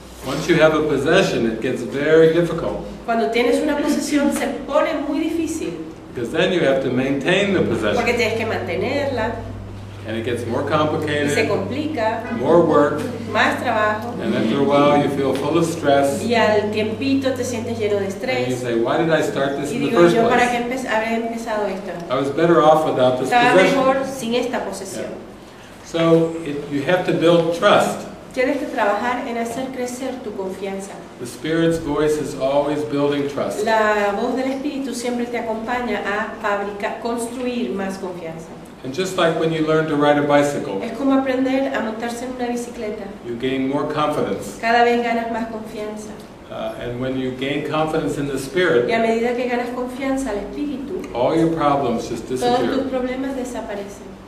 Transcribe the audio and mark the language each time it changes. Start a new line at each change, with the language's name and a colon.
English: Once you have a possession, it gets very difficult.
Spanish: Cuando tienes una posesión, se pone muy difícil.
English: Because then you have to maintain the possession.
Spanish: Porque tienes que mantenerla.
English: And it gets more complicated.
Spanish: Y se complica.
English: More work.
Spanish: Más trabajo.
English: And after a while, you feel full of stress.
Spanish: Y al tiempito te sientes lleno de estrés.
English: And you say, why did I start this
Spanish: y
English: in
Spanish: digo,
English: the first
Spanish: yo,
English: place?
Spanish: ¿Para qué habré empezado esto?
English: I was better off without this
Spanish: estaba
English: possession.
Spanish: Mejor sin esta posesión. Yeah.
English: So you have to build trust.
Spanish: Tienes que trabajar en hacer crecer tu confianza.
English: The Spirit's voice is always building trust.
Spanish: La voz del Espíritu siempre te acompaña a fabricar, construir más confianza.
English: And just like when you learn to ride a bicycle,
Spanish: es como aprender a montarse en una bicicleta.
English: You gain more confidence.
Spanish: Cada vez ganas más confianza.
English: And when you gain confidence in the Spirit,
Spanish: y a medida que ganas confianza al Espíritu,
English: all your problems just disappear.
Spanish: Todos tus problemas desaparecen.